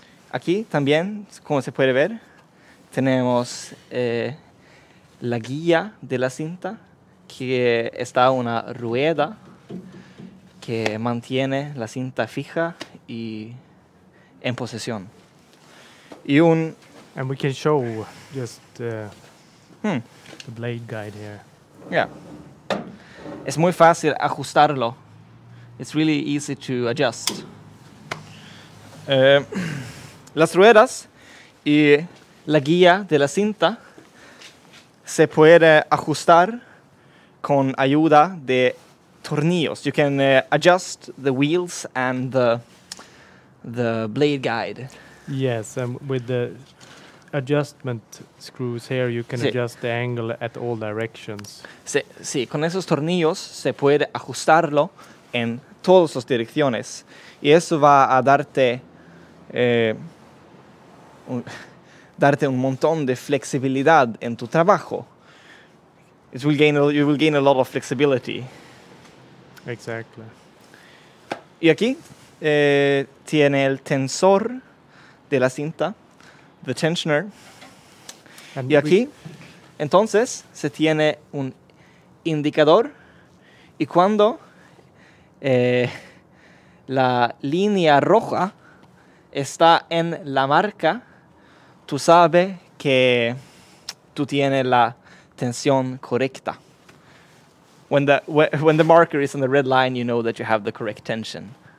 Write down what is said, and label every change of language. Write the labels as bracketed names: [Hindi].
[Spanish] Aquí también, como se puede ver, tenemos la guía de la cinta que está una rueda que mantiene la cinta fija y en posición. Y un [English] and we can show just the blade guide here. [Spanish] Yeah. Es muy fácil ajustarlo. [English] It's really easy to adjust. [Spanish] Las ruedas y la guía de la cinta se puede ajustar con ayuda de tornillos. [English] You can adjust the wheels and the blade guide. Yes, and with the adjustment screws here you can adjust the angle at all directions. [Spanish] Sí, con esos tornillos se puede ajustarlo en todas las direcciones y eso va a darte un montón de flexibilidad en tu trabajo. [English] You will gain a lot of flexibility. Exactly. [Spanish] Y aquí tiene el tensor de la cinta, [English] the tensioner. [Spanish] And y aquí, entonces, se tiene un indicador y cuando la línea roja está en la marca, tú sabes que tú tienes la tensión correcta. [English] When the marker is on the red line, you know that you have the correct tension.